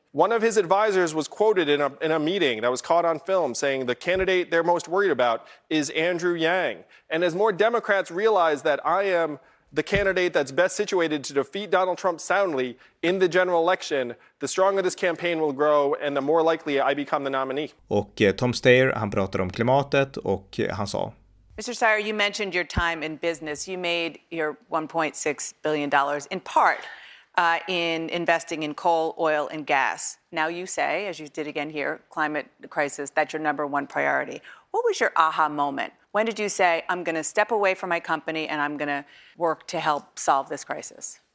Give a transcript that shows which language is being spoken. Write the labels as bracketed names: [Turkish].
[English] One of his advisors was quoted in a meeting that was caught on film saying the candidate they're most worried about is Andrew Yang. And as more Democrats realize that I am the candidate that's best situated to defeat Donald Trump soundly in the general election, the stronger this campaign will grow and the more likely I become the nominee. [Swedish] Och Tom Steyer, han pratade om klimatet och han sa... [English] Mr. Steyer, you mentioned your time in business. You made your $1.6 billion in part in investing in coal, oil, and gas. Now you say, as you did again here, climate crisis, that's your number one priority. What was your aha moment? When did you say, I'm going to step away from my company and I'm going to work to help solve this crisis?